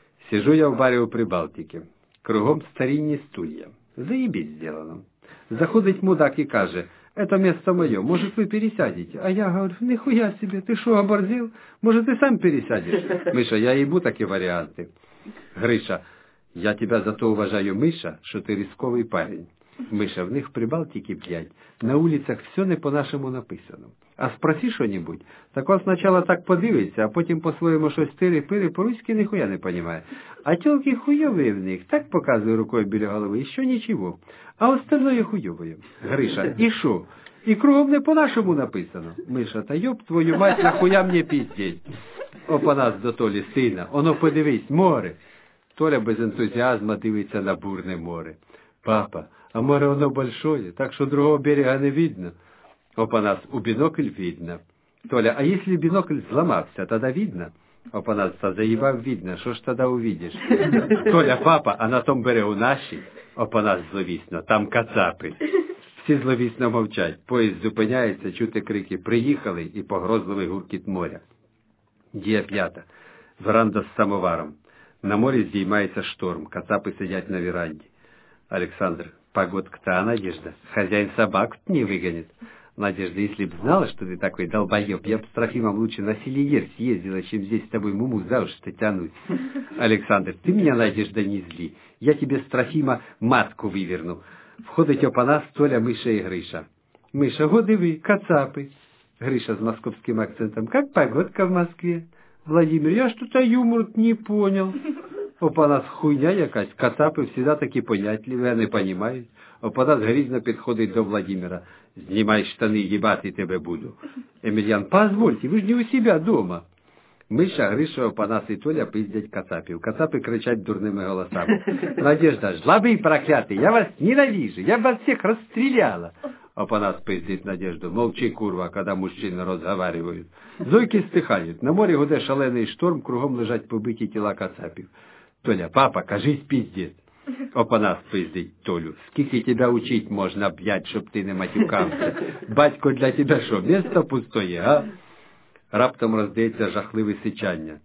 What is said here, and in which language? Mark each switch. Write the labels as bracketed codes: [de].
[uk] Сижу я в барі у Прибалтіки. Кругом старінні стулья. Заєбісь зроблено. Заходить мудак і каже: [ru] «Это место [uk] моє, може ви пересядете?» А я говорю: «Ніхуя себе, ти що, оборзів? Може ти сам пересядеш?» Миша: «Я їбу такі варіанти». Гриша: [ru] «Я тебя за то уважаю, [uk] Миша, що ти рисковий парень». [ru] Миша: «В них Прибалтики 5, на улицах все не по-нашому написано. А спроси что-нибудь, так он сначала так подивиться, а потом по-своему что-то тири-пири, по-русски нихуя не понимает. А тёлки хуёвые в них, так показываю рукой біля головы, еще ничего. А остальное хуёвое». Гриша: «И шо? И кругом не по-нашему написано». Миша: «Та ёб твою мать, нахуя мне пиздеть? Опанас до Толи, сына, [uk] оно подивись, [ru] море». [uk] Толя без энтузиазма дивиться на бурне море. [ru] «Папа, а море оно большое, так что другого берега не видно». Опанас: «У бинокль видно». Толя: «А если бинокль сломався, тогда видно?» Опанас: «Та заебав видно, что ж тогда увидишь?» Толя: «Папа, а на том берегу наши?» [uk] Опанас зловісно: «Там кацапи». Всі зловісно мовчать. Поезд зупиняється, чути крики: «Приїхали!» І погрозливий гуркіт моря. Дія п'ята. Веранда з самоваром. На морі здіймається шторм. Кацапи сидять на веранді. [ru] Александр: «Погодка-то, а Надежда? Хозяин собак не выгонит». «Надежда, если б знала, что ты такой долбоеб, я бы с Трофимом лучше на Селиер съездила, чем здесь с тобой муму за уши-то тянуть». «Александр, ты меня, Надежда, не зли. Я тебе с Трофима матку выверну». [uk] Входить Опанас, Толя, Миша и Гриша. «Миша, годы вы, кацапы». [ru] Гриша с московским акцентом: «Как погодка в Москве?» «Владимир, я что-то юмор не понял». «Опанас, хуйня якась, кацапы всегда таки понятливые, они понимают». [uk] Опанас грізно підходить до Владимира: «Знімай штани, їбати тебе буду». [ru] Емельян: «Позвольте, ви ж не у себе дома». [uk] Миша, Гриша, Опанас і Толя пиздять кацапів. Кацапи кричать дурними голосами: «Надежда, жлобий проклятий, я вас ненавижу, я б вас всіх розстріляла». Опанас пиздить Надежду: «Мовчи, курва, [ru] когда мужчины [uk] розговаривают». Зойки стихають. На морі гуде шалений шторм, кругом лежать побиті тіла кацапів. Толя: «Папа, кажись, пиздець». Опанас пиздить Толю: «Скільки тебя учить можна б'ять, щоб ти не матюкався? Батько для тебя що, місто пустоє, а?» Раптом роздається жахливе сичання.